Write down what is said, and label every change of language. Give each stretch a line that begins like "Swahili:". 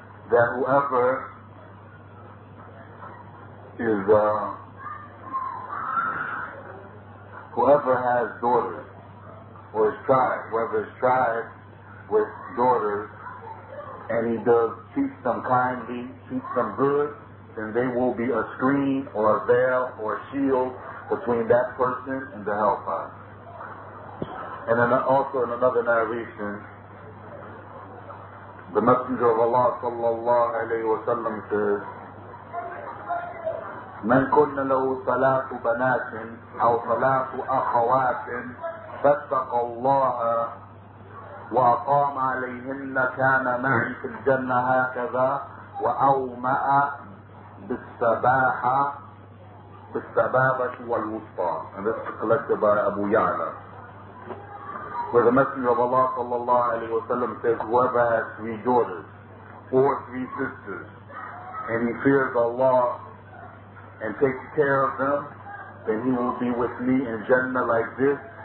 English: That whoever is whoever has daughters or is tried, whoever is tried with daughters and he does treat them kindly, treat them good, then they will be a screen or a veil or a shield between that person and the hellfire. And then also in another narration, the Messenger of Allah sallallahu alayhi wa sallam says,
Arabic: من كن له ثلاث بنات أو ثلاث أخوات فاتق الله وأقام عليهن كان معي في الجنة هكذا وأومأ بالسباحة بالسبابة والوسطى.
English: And this is collected by Abu Ya'la. Where the Messenger of Allah sallallahu alayhi wa sallam says, whoever has three daughters or three sisters and he fears Allah and take care of them, then he will be with me in Jannah like this.